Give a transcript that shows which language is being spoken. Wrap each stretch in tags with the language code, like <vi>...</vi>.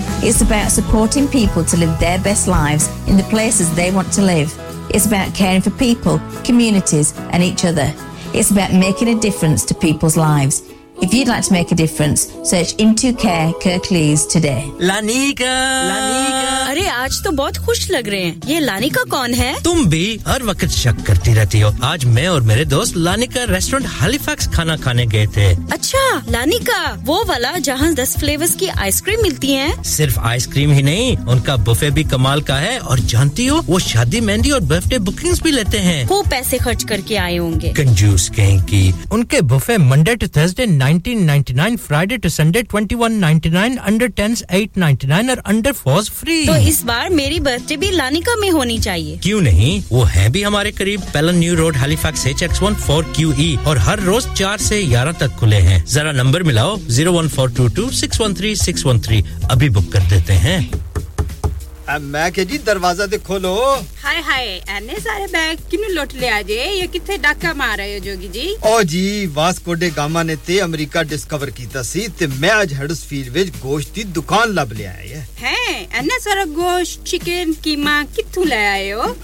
<en>It's about supporting people to live their best lives in the places they want to live. It's about caring for people, communities, and each other. It's about making a difference to people's lives. If you'd like to make a difference, search Into Care Kirklees today. Lanika! Lanika!</en> <hi>अरे आज तो बहुत खुश लग रहे हैं। ये Lanika कौन है? तुम भी हर वक्त शक करती रहती हो। आज मैं और मेरे दोस्त Lanika रेस्टोरेंट Halifax खाना खाने गए थे। अच्छा, Lanika, वो वाला जहां 10 फ्लेवर्स की आइसक्रीम मिलती हैं? सिर्फ आइसक्रीम ही नहीं, उनका बुफे भी कमाल का है और जानती हो, वो शादी मेहंदी और बर्थडे बुकिंग्स भी लेते हैं। वो पैसे खर्च करके आए होंगे। कंजूस कहेंगी। उनके buffet</hi> <en>Monday to Thursday $19.99, Friday to Sunday $21.99, under 10s $8.99 or under 4s free.</en> <hi>तो इस बार मेरी बर्थडे भी Lanika में होनी चाहिए. क्यों नहीं? वो हैं भी हमारे करीब, Pelham New Road, Halifax HX14QE, और हर रोज 4 से 11 तक खुले हैं. जरा नंबर मिलाओ 01422613613. अभी बुक कर देते हैं.</hi> <pa>ਮੈਂ ਕਿਹਾ ਜੀ ਦਰਵਾਜ਼ਾ ਤੇ ਖੋਲੋ ਹਾਏ ਹਾਏ ਐਨੇ ਸਾਰੇ ਬੈਗ ਕਿਨੂੰ ਲੁੱਟ ਲਿਆ ਜੇ ਇਹ ਕਿੱਥੇ ਡਾਕਾ ਮਾਰ ਰਹੇ ਹੋ ਜੋਗੀ ਜੀ ਓ ਜੀ ਵਾਸਕੋ ਡੇ ਗਾਮਾ ਨੇ ਤੇ ਅਮਰੀਕਾ ਡਿਸਕਵਰ ਕੀਤਾ ਸੀ ਤੇ ਮੈਂ ਅੱਜ ਹੈਡਸਫੀਲਡ ਵਿੱਚ ਗੋਸ਼ਤ ਦੀ ਦੁਕਾਨ ਲੱਭ ਲਿਆ ਹੈ ਹੈ ਐਨੇ ਸਾਰੇ ਗੋਸ਼ਤ ਚਿਕਨ ਕੀਮਾ ਕਿੱਥੋਂ ਲੈ ਆਏ ਹੋ</pa>